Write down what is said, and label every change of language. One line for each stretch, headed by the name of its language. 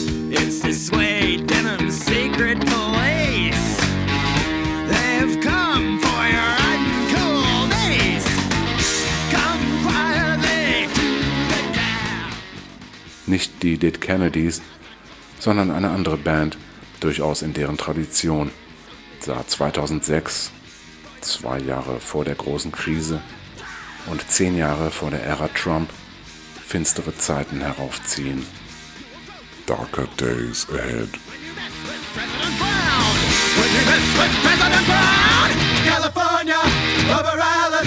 English: It's the suede denim's secret police. They've come for your uncool niece. Come quietly to the dance.
German: Nicht die Dead Kennedys, sondern eine andere Band, durchaus in deren Tradition, sah 2006, 2 Jahre vor der großen Krise und 10 Jahre vor der Ära Trump, finstere Zeiten heraufziehen.
English: Darker days ahead. When you mess with President Brown, California, Rubber Island.